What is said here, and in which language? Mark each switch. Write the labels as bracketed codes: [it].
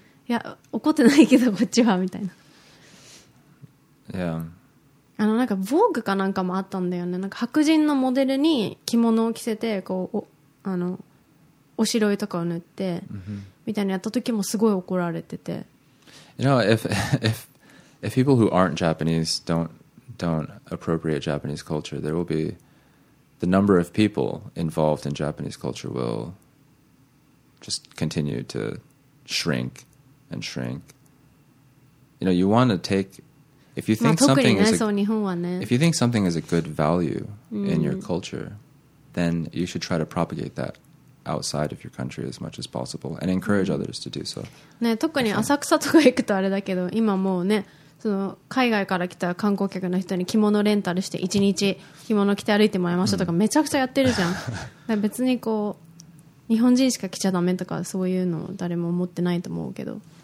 [ja] いや怒ってないけどこっちはみたいな。いや、yeah. なんか Vogue かなんかもあったんだよね。なんか白人のモデルに着物を着せてこう おしろいとかを塗って、 mm-hmm. みたいなやったときもすごい怒られてて。 [en] You know if people who aren't Japanese don't appropriate Japanese culture, there will be the number of people involved in Japanese culture will just continue to shrink and shrink. You know, you want to take if you think something is if you think something is a good value in your culture, then you should try to propagate that outside of your country as much as possible and encourage others to do so. [ja] ね、特に浅草とか行くとあれだけど、今もうね。その海外から来た観光客の人に着物レンタルして1日着物着て歩いてもらいましたとかめちゃくちゃやってるじゃん。別にこう日本人しか来ちゃダメとかそういうの誰も思ってないと思うけど、